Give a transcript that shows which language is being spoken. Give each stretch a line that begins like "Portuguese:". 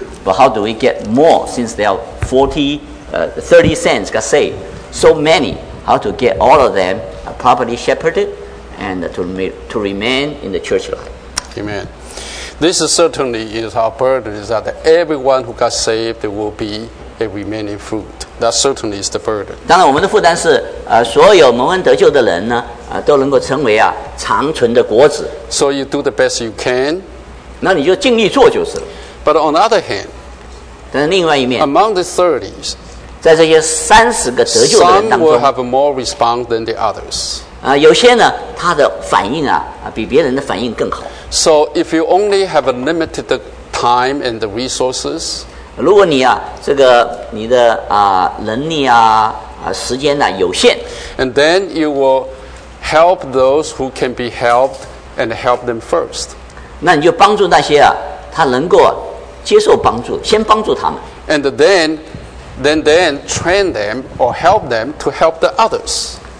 English: But how do we get more since there are 30 saints got saved? So many. How to get all of them properly shepherded and to remain in the church life. Amen. This is certainly is our burden, is that everyone who got saved will be a remaining fruit. That certainly is the burden.
Chinese: 当然我们的负担是, 所有蒙恩得救的人呢, 都能够成为啊, 长存的果子。
English: So you do the best you can.
Chinese: 那你就尽力做就是了。
English: But on the other hand,
Chinese: 但另外一面,
English: among the 30s,
Chinese: 在这些30个得救的人当中,
English: some will have more response than the others.
Chinese: 有些呢，他的反应啊，比别人的反应更好。
English: So if you only have a limited time and the resources,
Chinese: 如果你啊，这个你的能力啊，时间呢有限。
English: And then you will help those who can be helped and help them first.
Chinese: 那你就帮助那些啊，他能够接受帮助，先帮助他们。
English: And then train them or help them to help the others.